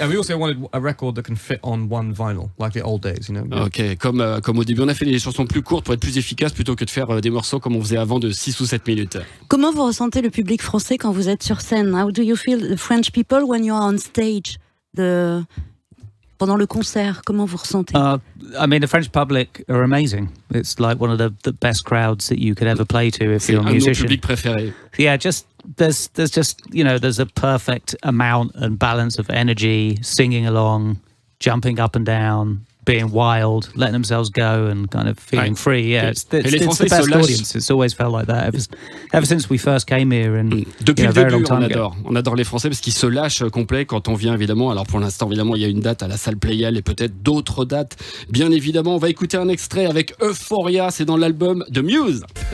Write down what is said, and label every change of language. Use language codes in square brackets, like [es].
[en] And we also wanted a record that can fit on one vinyl, like the old days, you know. [fr] Ok, comme au début, on a fait des chansons plus courtes pour être plus efficace plutôt que de faire des morceaux comme on faisait avant de 6 ou 7 minutes. Comment vous ressentez le public français quand vous êtes sur scène? [en] How do you feel the French people when you are on stage [fr] pendant le concert? Comment vous ressentez? [en] The French public are amazing. It's like one of the best crowds that you could ever play to if you're a musician. [fr] C'est un public préféré. [en] Yeah, just there's just, you know, there's a perfect amount and balance of energy, singing along, jumping up and down, being wild, letting themselves go and kind of feeling free. Yeah, it's the best audience. It's always felt like that ever since we first came here. And [fr] depuis [en] a very long time ago. [fr] On adore les Français parce qu'ils se lâchent complet quand on vient, évidemment. Alors pour l'instant, évidemment, il y a une date à la salle Playel et peut-être d'autres dates. Bien évidemment, on va écouter un extrait avec Euphoria. C'est dans l'album de Muse.